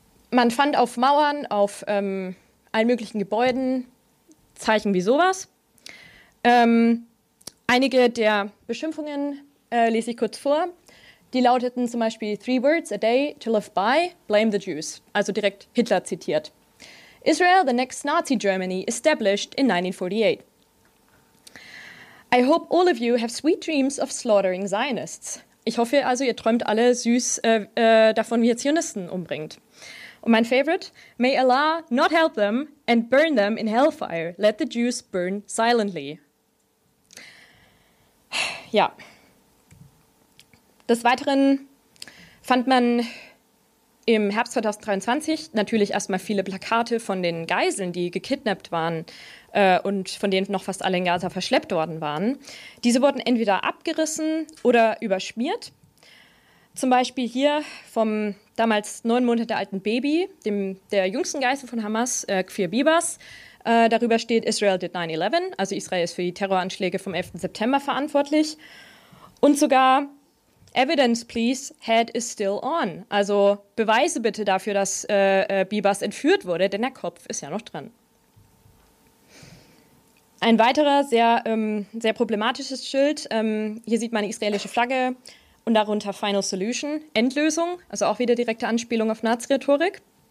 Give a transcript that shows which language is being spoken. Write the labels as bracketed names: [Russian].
[German] Man fand auf Mauern, auf allen möglichen Gebäuden Zeichen wie sowas. Einige der Beschimpfungen lese ich kurz vor. Die lauteten zum Beispiel: [English] 3 words a day to live by, blame the Jews. [German] Also direkt Hitler zitiert. [English] Israel, the next Nazi Germany, established in 1948. I hope all of you have sweet dreams of slaughtering Zionists. [German] Ich hoffe also, ihr träumt alle süß davon, wie ihr Zionisten umbringt. Und mein Favorite: [English] may Allah not help them and burn them in hellfire. Let the Jews burn silently. [German] Ja. Des Weiteren fand man Im Herbst 2023 natürlich erstmal viele Plakate von den Geiseln, die gekidnappt waren und von denen noch fast alle in Gaza verschleppt worden waren. Diese wurden entweder abgerissen oder überschmiert. Zum Beispiel hier vom damals 9 Monate alten Baby, dem der jüngsten Geisel von Hamas, Kfir Bibas. Darüber steht [English] Israel did 9/11, [German] also Israel ist für die Terroranschläge vom 11. September verantwortlich. Und sogar [English] Evidence please, head is still on. [German] Also Beweise bitte dafür, dass Bibas entführt wurde, denn der Kopf ist ja noch drin. Ein weiterer sehr, sehr problematisches Schild. Hier sieht man die israelische Flagge und darunter Final Solution, Endlösung. Also auch wieder direkte Anspielung auf Nazi-Rhetorik.